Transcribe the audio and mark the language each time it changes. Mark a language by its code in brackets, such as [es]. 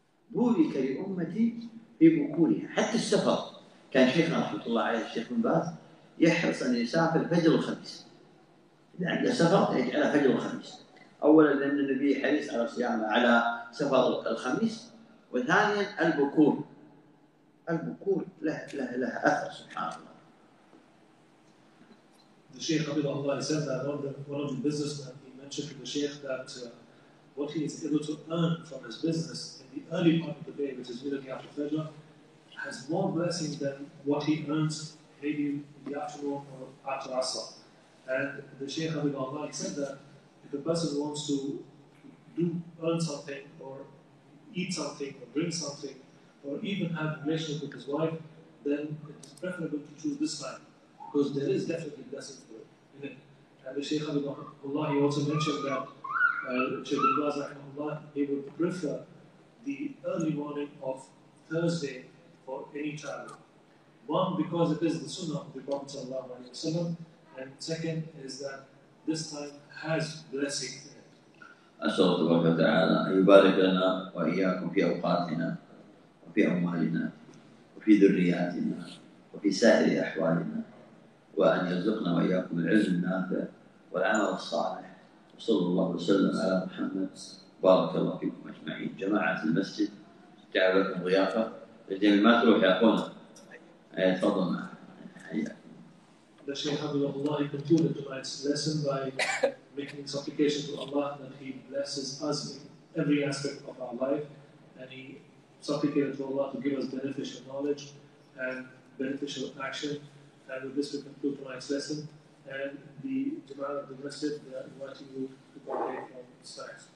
[ar] بورك لأمتي في بكورها، حتى السفر كان شيخنا رحمة الله عليه الشيخ بن باز يحرص أن يسافر فجر الخميس، إذا عنده سفر يجعله فجر الخميس، أولا لأن النبي حريص على صيامه على سفر الخميس، وثانيا البكور، البكور له له له أثر سبحان الله. [en] الشيخ عبد الله سيد one of the businessmen he mentioned to the Sheikh that what he is able to earn from his business in the early part of the day, which is immediately after Fajr, has more blessings than what he earns maybe in the afternoon or after Asr. And the Sheikh عبد الله said that if a person wants to earn something or eat something or drink something or even have a relationship with his wife, then it is preferable to choose this time, because there is definitely a blessing for it. And the Shaykh Abdullah, he also mentioned that Shaykh Abdullah, rahimahullah, he would prefer the early morning of Thursday for any child. One, because it is the sunnah of the Prophet sallallahu alayhi wa sallam, and second is that this time has blessing. [ar] أسأل الله تبارك وتعالى أن يبارك لنا وإياكم في أوقاتنا وفي أموالنا وفي ذرياتنا وفي سائر أحوالنا وأن يرزقنا وإياكم العلم النافع والعمل الصالح وصلى الله وسلم على محمد بارك الله فيكم أجمعين جماعة المسجد جعل لكم ضيافة لجميع ما تروح يا أخونا أي تفضل معنا [en] The Shaykh Abdullah concluded tonight's lesson by making supplication to Allah that He blesses us in every aspect of our life. And he supplicated to Allah to give us beneficial knowledge and beneficial action. And with this, we conclude tonight's lesson. And the Jama'ah of the Masjid, we invite you to go away from this time.